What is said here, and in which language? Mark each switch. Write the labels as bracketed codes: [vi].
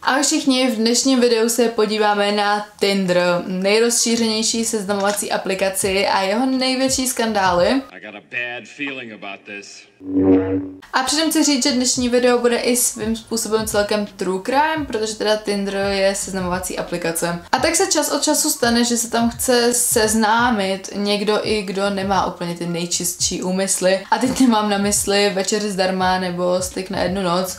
[cs] Ahoj všichni, v dnešním videu se podíváme na Tinder, nejrozšířenější seznamovací aplikaci a jeho největší skandály. [en] I got a bad feeling about this. [cs] A předem chci říct, že dnešní video bude i svým způsobem celkem true crime, protože teda Tinder je seznamovací aplikace. A tak se čas od času stane, že se tam chce seznámit někdo i kdo nemá úplně ty nejčistší úmysly. A teď nemám na mysli večeři zdarma nebo styk na jednu noc.